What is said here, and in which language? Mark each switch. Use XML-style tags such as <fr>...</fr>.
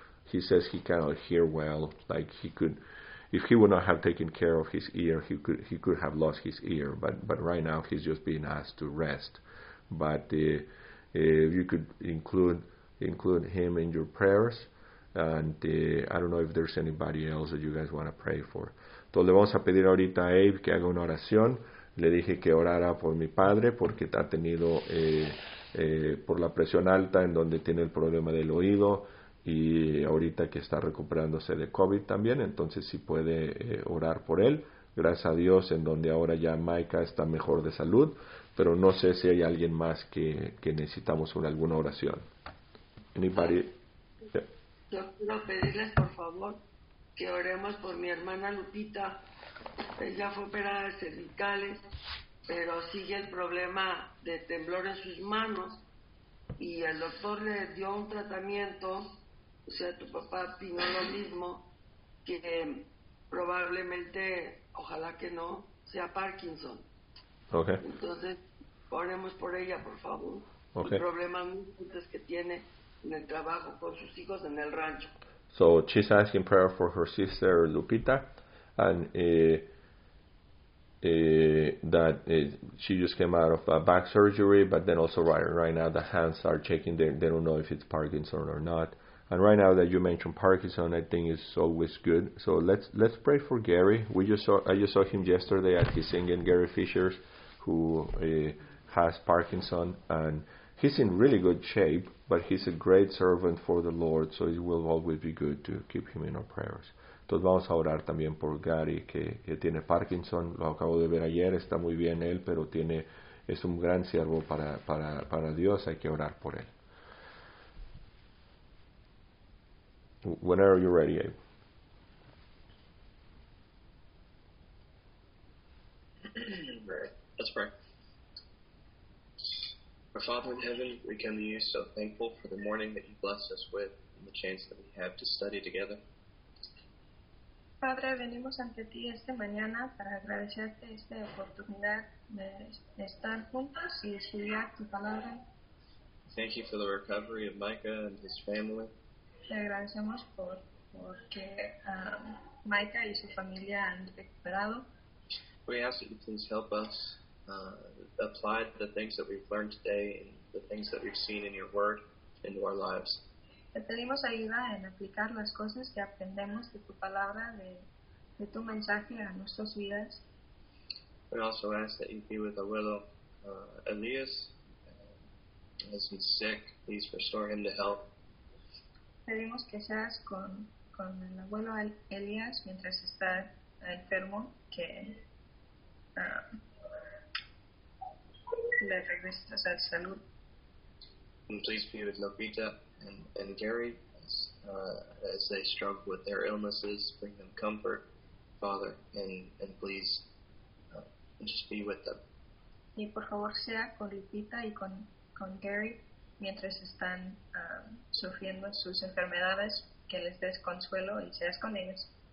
<en>He says he cannot hear well, like he could... If he would not have taken care of his ear, he could have lost his ear. But right now he's just being asked to rest. But if you could include him in your prayers, and I don't know if there's anybody else that you guys want to pray for.</en> <es>Entonces le vamos a pedir ahorita a Abe que haga una oración. Le dije que orara por mi padre porque ha tenido por la presión alta en donde tiene el problema del oído. Y ahorita que está recuperándose de COVID también, entonces sí puede orar por él. Gracias a Dios, en donde ahora ya Micah está mejor de salud, pero no sé si hay alguien más que necesitamos alguna oración.</es> <en>Anybody? Yeah.</en> <es>Yo quiero pedirles, por favor, que oremos por mi hermana Lupita. Ella fue operada de cervicales, pero sigue el problema de temblor en sus manos. Y el doctor le dio un tratamiento... O sea, tu papá opinó lo mismo, que probablemente, ojalá que no, sea Parkinson. Okay. Entonces, oremos por ella, por favor. Okay. El problema es que tiene en el trabajo con sus hijos en el rancho.</es> <en>So, she's asking prayer for her sister Lupita, and that she just came out of a back surgery, but then also right now the hands are checking, they don't know if it's Parkinson or not. And right now that you mentioned Parkinson, I think it's always good. So let's pray for Gary. I just saw him yesterday at his singing, Gary Fisher, who has Parkinson. And he's in really good shape, but he's a great servant for the Lord. So it will always be good to keep him in our prayers.</en> <es>Entonces vamos a orar también por Gary, que tiene Parkinson. Lo acabo de ver ayer, está muy bien él, pero es un gran siervo para Dios. Hay que orar por él.</es> <en>Whenever you're ready, Abe. Let's pray. Our Father in heaven, we come to you so thankful for the morning that you bless us with and the chance that we have to study together.</en> <es>Padre, venimos ante ti esta mañana para agradecerte esta oportunidad de estar juntos y estudiar tu palabra.</es> <en>Thank you for the recovery of Micah and his family.</en> <es>Te agradecemos porque Micah y su familia han recuperado.</es> <en>We ask that you please help us apply the things that we've learned today and the things that we've seen in your word into our lives.</en> <es>Te pedimos ayuda en aplicar las cosas que aprendemos de tu palabra, de tu mensaje a nuestras vidas.</es> <en>We also ask that you be with our widow Elias. As he's sick, please restore him to health.</en> <es>Pedimos que seas con el abuelo Elías mientras está enfermo, que le regreses a salud.</es> <en>And please be with Lupita and Gary as they struggle with their illnesses, bring them comfort, Father, and please just be with them.</en> <es>Y por favor sea con Lupita y con Gary mientras están sufriendo sus enfermedades, que les des consuelo y seas con ellos.</es>